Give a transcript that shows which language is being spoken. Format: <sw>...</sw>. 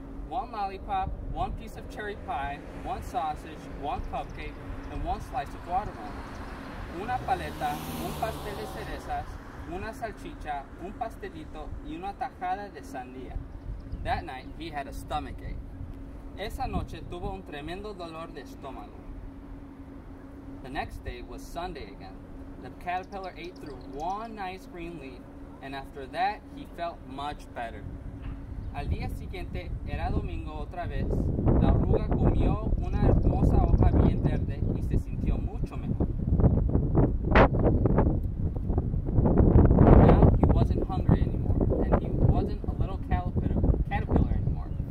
<en>One lollipop, one piece of cherry pie, one sausage, one cupcake, and one slice of watermelon.</en> <es>Una paleta, un pastel de cerezas, una salchicha, un pastelito, y una tajada de sandía.</es> <en>That night, he had a stomachache.</en> <es>Esa noche tuvo un tremendo dolor de estómago.</es> <en>The next day was Sunday again. The caterpillar ate through one ice cream leaf, and after that, he felt much better.</en> <es>Al día siguiente, era domingo otra vez, la oruga comió una hermosa hoja bien verde y se sintió mucho mejor.</es> <en>Now he wasn't hungry anymore, and he wasn't a little caterpillar anymore.</en>